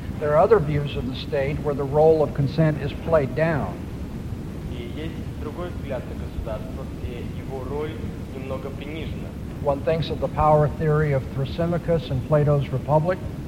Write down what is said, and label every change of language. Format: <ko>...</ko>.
<en>There are other views of the state where the role of consent is played down.</en> <ru>И есть другой взгляд на государство, где его роль немного принижена.</ru> <en>One thinks of the power theory of Thrasymachus and Plato's Republic.</en>